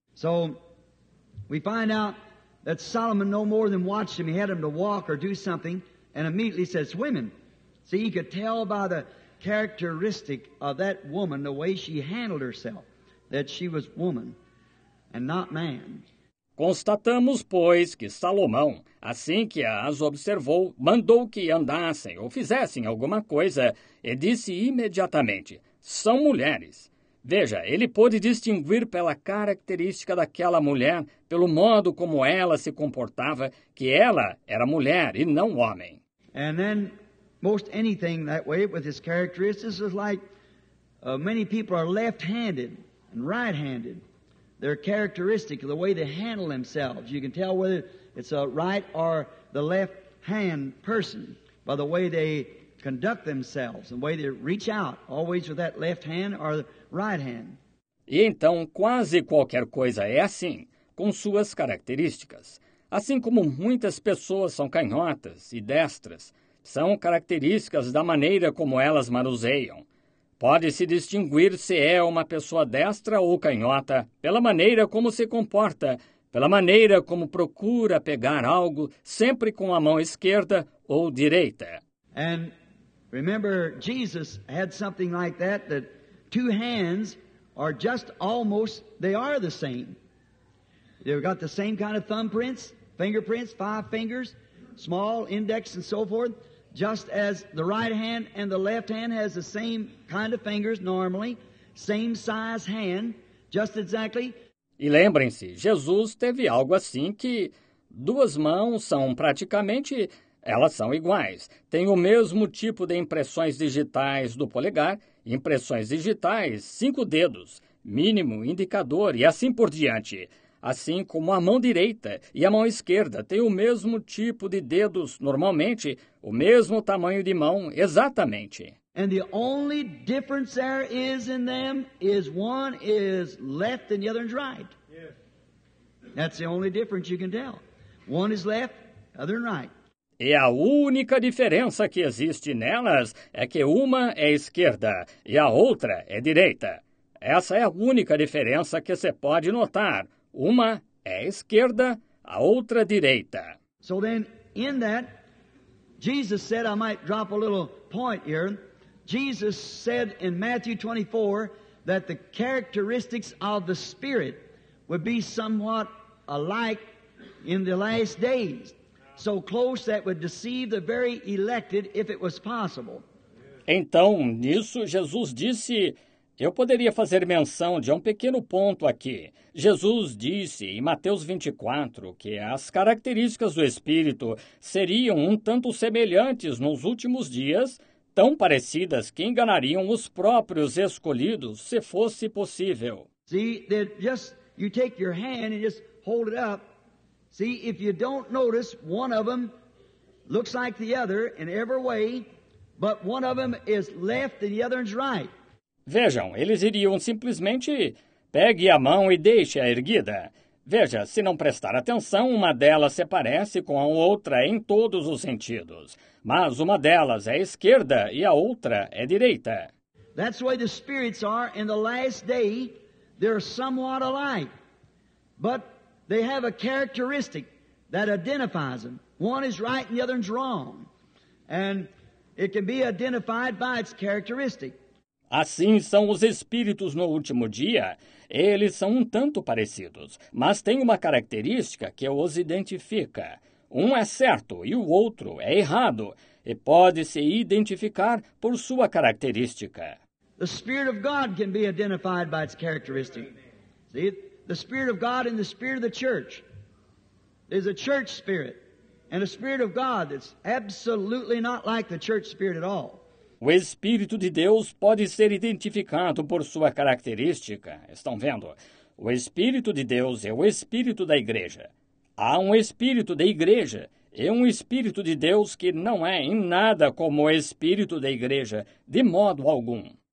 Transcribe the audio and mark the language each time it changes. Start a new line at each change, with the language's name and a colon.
English: So we find out that Solomon no more than watched him. He had him to walk or do something. And immediately says, women. See, he could tell by the characteristic of that woman, the way she handled herself, that she was woman and not man.
Portuguese: Constatamos, pois, que Salomão, assim que as observou, mandou que andassem ou fizessem alguma coisa, e disse imediatamente, são mulheres. Veja, ele pôde distinguir pela característica daquela mulher, pelo modo como ela se comportava, que ela era mulher e não homem.
English: And then most anything that way with his characteristics is like many people are left-handed and right-handed. their characteristic, the way they handle themselves. You can tell whether it's a right or the left-hand person by the way they conduct themselves, the way they reach out, always with that left hand or the right hand.
Portuguese: E então, quase qualquer coisa é assim, com suas características. Assim como muitas pessoas são canhotas e destras, são características da maneira como elas manuseiam. Pode-se distinguir se é uma pessoa destra ou canhota pela maneira como se comporta, pela maneira como procura pegar algo, sempre com a mão esquerda ou direita.
English: And remember, Jesus had something like that, that two hands are just almost, they are the same. They've got the same kind of thumbprints, fingerprints, five fingers, small, index, and so forth. Just as the right hand and the left hand has the same kind of fingers normally, same size hand, just exactly.
Portuguese: E lembrem-se, Jesus teve algo assim que duas mãos são praticamente, elas são iguais. Tem o mesmo tipo de impressões digitais do polegar, impressões digitais, cinco dedos, mínimo, indicador e assim por diante. Assim como a mão direita e a mão esquerda têm o mesmo tipo de dedos, normalmente, o mesmo tamanho de mão, exatamente.
English: And the only difference there is in them is one is left and the other is right. Yes. That's the only difference you can tell. One is left, other is right.
Portuguese: E a única diferença que existe nelas é que uma é esquerda e a outra é direita. Essa é a única diferença que se pode notar. Uma é esquerda, a outra direita.
English: So then, in that, Jesus said, I might drop a little point here. Jesus said in Matthew 24 that the characteristics of the Spirit would be somewhat alike in the last days. So close that would deceive the very elected if it was possible.
Portuguese: Então, nisso, Jesus disse... Eu poderia fazer menção de um pequeno ponto aqui. Jesus disse em Mateus 24 que as características do Espírito seriam um tanto semelhantes nos últimos dias, tão parecidas que enganariam os próprios escolhidos, se fosse possível.
English: See, that just you take your hand and just hold it up. See, if you don't notice, one of them looks like the other in every way, but one of them is left and the other is right.
Portuguese: Vejam, eles iriam simplesmente, pegue a mão e deixe-a erguida. Veja, se não prestar atenção, uma delas se parece com a outra em todos os sentidos. Mas uma delas é esquerda e a outra é direita.
English: That's why the spirits are in the last day, they're somewhat alike. But they have a characteristic that identifies them. One is right and the other is wrong. And it can be identified by its characteristic.
Portuguese: Assim são os espíritos no último dia. Eles são um tanto parecidos, mas têm uma característica que os identifica. Um é certo e o outro é errado, e pode se identificar por sua característica.
English: The Spirit of God can be identified by its characteristic. See, the Spirit of God and the Spirit of the Church. There's a church spirit and a Spirit of God that's absolutely not like the church spirit at all.
Portuguese: O Espírito de Deus pode ser identificado por sua característica. Estão vendo? O Espírito de Deus é o Espírito da Igreja. Há um Espírito da Igreja e um Espírito de Deus que não é em nada como o Espírito da Igreja, de modo algum.